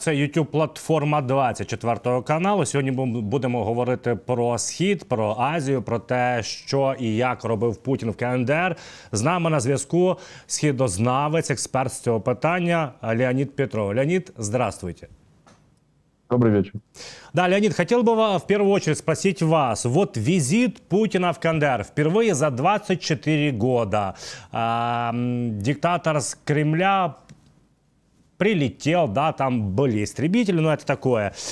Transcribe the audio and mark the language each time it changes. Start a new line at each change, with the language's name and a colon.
Ukrainian: Це YouTube-платформа 24 каналу. Сьогодні будемо говорити про Схід, про Азію, про те, що і як робив Путін в КНДР. З нами на зв'язку східознавець, експерт з цього питання Леонід Петров. Леонід, здравствуйте. Добрий вечір.
Russian: Да, Леонид, хотел бы в первую очередь спросить вас. Вот визит Путина в КНДР впервые за 24 года. Диктатор с Кремля прилетел, да, там были истребители, но это такое.